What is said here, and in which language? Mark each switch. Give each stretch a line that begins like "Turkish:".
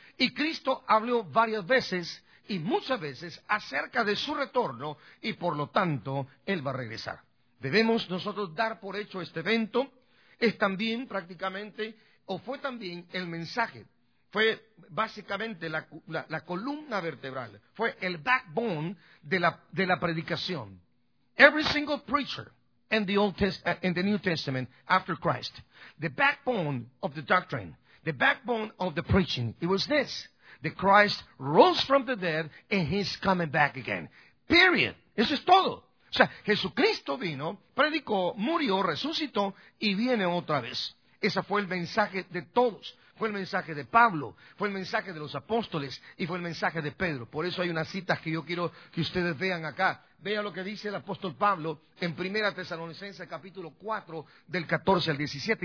Spanish: Y Cristo habló varias veces y muchas veces acerca de su retorno y por lo tanto Él va a regresar. Debemos nosotros dar por hecho este evento, es también prácticamente, o fue también el mensaje, fue básicamente la columna vertebral, fue el backbone de la predicación.
English: Every single preacher in the Old Testament, in the New Testament, after Christ, the backbone of the doctrine, the backbone of the preaching, it was this, that Christ rose from the dead and he's coming back again. Period.
Spanish: Eso es todo. O sea, Jesucristo vino, predicó, murió, resucitó y viene otra vez. Ese fue el mensaje de todos. Fue el mensaje de Pablo, fue el mensaje de los apóstoles y fue el mensaje de Pedro. Por eso hay unas citas que yo quiero que ustedes vean acá. Vean lo que dice el apóstol Pablo en 1 Tesalonicenses capítulo 4 del 14 al 17.